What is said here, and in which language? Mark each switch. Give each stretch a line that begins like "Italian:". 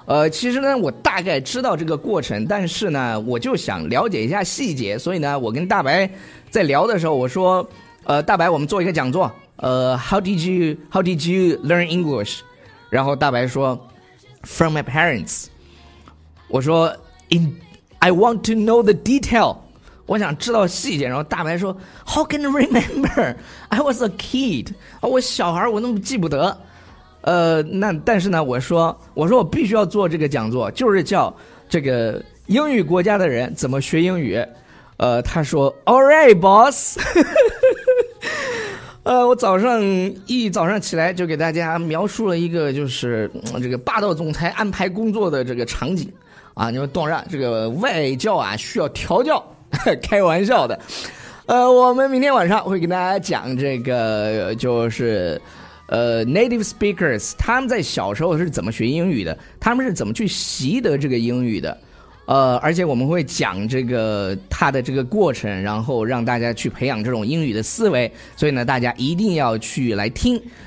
Chinese: 其实呢我大概知道这个过程，但是呢我就想了解一下细节，所以呢我跟大白在聊的时候我说，大白我们做一个讲座，
English: how did you learn English，
Chinese: 然后大白说
English: from my parents，
Chinese: 我说
English: I want to know the detail，
Chinese: 我想知道细节。然后大白说
English: How can I remember I was a kid，
Chinese: 我小孩我那么记不得。那但是呢我说我必须要做这个讲座，就是叫这个英语国家的人怎么学英语。他说
English: Alright boss。
Chinese: 我早上起来就给大家描述了一个就是这个霸道总裁安排工作的这个场景啊，你们懂了，这个外教啊需要调教。开玩笑的，我们明天晚上会给大家讲这个，就是native speakers 他们在小时候是怎么学英语的，他们是怎么去习得这个英语的，而且我们会讲这个他的这个过程，然后让大家去培养这种英语的思维，所以呢，大家一定要去来听。